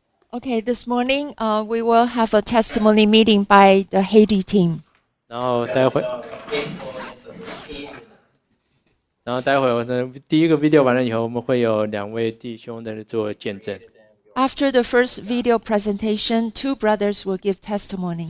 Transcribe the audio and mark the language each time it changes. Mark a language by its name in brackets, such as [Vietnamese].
[English] Okay, this morning, we will have a testimony meeting by the Haiti team. [Chinese] 然后待会我的第一个 video 完了以后，我们会有两位弟兄在做见证。 [English] After the first video presentation, two brothers will give testimonies.